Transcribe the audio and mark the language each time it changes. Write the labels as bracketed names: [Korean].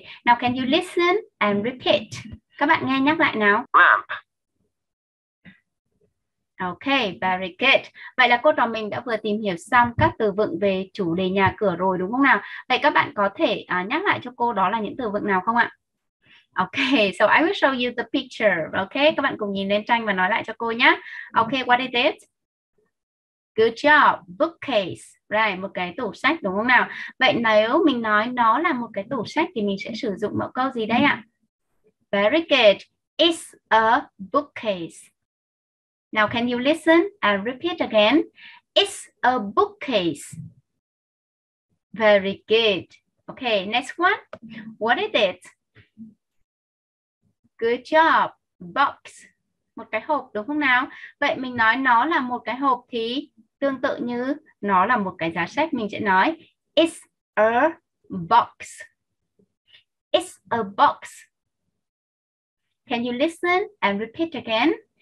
[English] Now can you listen and repeat? [Vietnamese] Các bạn nghe nhắc lại nào. [English] Lamp. Ok, very good. [Vietnamese] Vậy là cô trò mình đã vừa tìm hiểu xong các từ vựng về chủ đề nhà cửa rồi đúng không nào? Vậy các bạn có thể nhắc lại cho cô đó là những từ vựng nào không ạ? [English] Ok, so I will show you the picture. [Vietnamese] Ok, các bạn cùng nhìn lên tranh và nói lại cho cô nhé. [English] Ok, what is it? Good job, bookcase. Right, [Vietnamese] một cái tủ sách đúng không nào? Vậy nếu mình nói nó là một cái tủ sách thì mình sẽ sử dụng mẫu câu gì đấy ạ? [English] Very good, it's a bookcase. Now can you listen and repeat again? It's a bookcase. Very good. Okay, next one. What is it? Good job. Box. [Vietnamese] Một cái hộp đúng không nào? Vậy mình nói nó là một cái hộp thì tương tự như nó là một cái giá sách, mình sẽ nói [English] it's a box. It's a box. Can you listen and repeat again?